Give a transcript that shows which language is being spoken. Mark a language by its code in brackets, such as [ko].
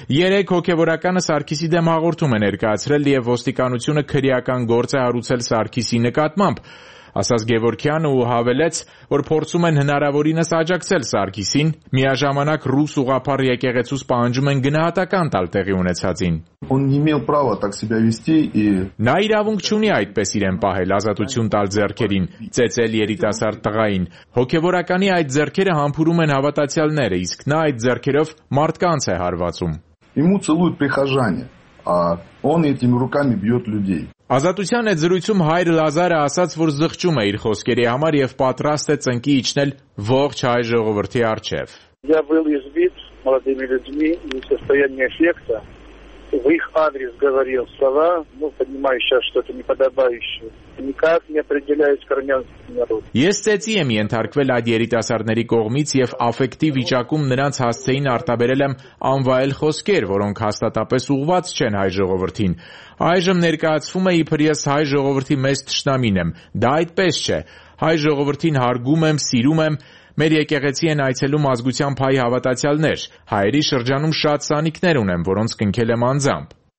[hy] Երեք հոգևորականը Սարգիսի դեմ հաղորդում է ներկայացրել, և ոստիկանությունը քրեական գործ է արուցել Սարգիսի նկատմամբ։ ասաց Գևորգյանը ու հավելեց, որ փորձում են հնարավորինս աջակցել Սարգիսին, միաժամանակ ռուս ուղափար եկեղեցուս պահանջում են գնահատական տալ տեղի ունեցածին։ [ru] Он не имел права так себя вести и [hy] Նա իրավունք չունի այդպես իրեն պահել, ազատություն տալ ձեռքերին, ծեծել երիտասարդ տղային։ Հոգևորականի այդ ձեռքերը համբուրում են հավատացյալները, իսկ նա այդ ձեռքերով մարդկանց է հարվածում։ [ru] Ему целуют прихожане, а он этими руками бьёт людей. [hy] Ազատության այդ զրույցում հայր Լազարը ասաց, որ զղջում է իր խոսքերի համար եւ պատրաստ է ծնկի իջնել ողջ հայ ժողովրդի առջև։ [ru] Я был избит молодыми людьми в состоянии аффекта. В их адрес говорил слова, ну, понимаю сейчас, что это неподобающее. Никак не определяюсь к армянскому народу. [hy] Ես ծեցի եմ ենթարկվել այդ երիտասարդների կողմից եւ աֆեկտի վիճակում նրանց հասցեին արտաբերել եմ անվայել խոսքեր, որոնք հաստատապես ուղված չեն հայ ժողովրդին։ Այժմ ներկայացվում է, իբր ես հայ ժողովրդի մեծ ճշնամին եմ։ Դա այդպես չէ։ Հայ ժողովրդին հարգում եմ, սիրում եմ։ Մեր եկեղեցի են այցելում ազգության փայ հավատացյալներ։ Հայերի շրջանում շատ սանիկներ ունեմ, որոնց կնքել եմ անձամբ։